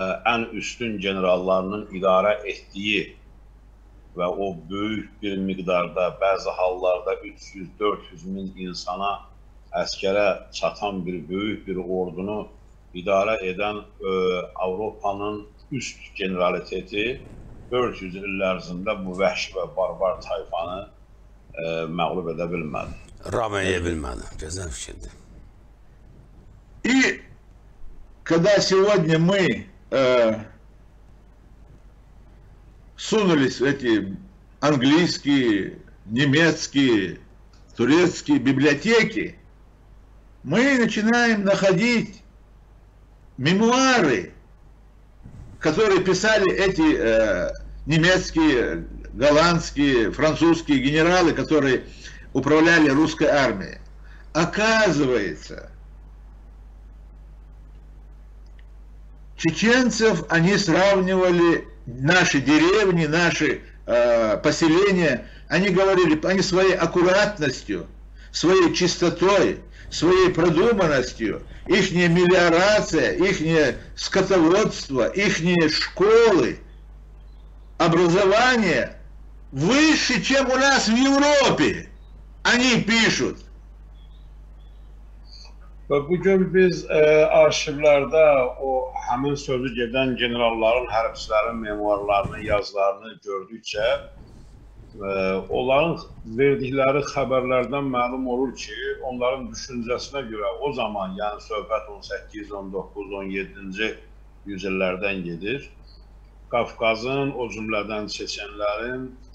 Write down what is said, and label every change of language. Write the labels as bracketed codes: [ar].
[az] ən üstün generallarının idarə etdiyi və o böyük bir miqdarda, bəzi hallarda 300-400 min insana, əskərə çatan bir böyük bir ordunu idarə edən Avropanın üst generaliteti 400 il ərzində bu vəhşi və barbar tayfanı məğlub edə bilmədi. Ramayə bilmədi. Gözəl fikirdir. [ru] И когда сегодня мы сунулись в эти английские, немецкие, турецкие библиотеки, мы начинаем находить мемуары, которые писали эти немецкие, голландские, французские генералы, которые управляли русской армией. Оказывается, чеченцев они сравнивали, наши деревни, наши поселения, они говорили, они своей аккуратностью, своей чистотой, своей продуманностью, ихняя мелиорация, ихнее скотоводство, ихние школы, образование выше, чем у нас в Европе, они пишут. [az] Bugün biz arşivlerde o həmin sözü gedən generalların, hərbçilərin memuarlarını, yazılarını gördükcə onların verdikləri xəbərlərdən məlum olur ki, onların düşüncəsinə görə o zaman, yəni söhbət 18-19-17-ci yüzyıllardan gedir, Qafqazın o cümlədən çeçənlərin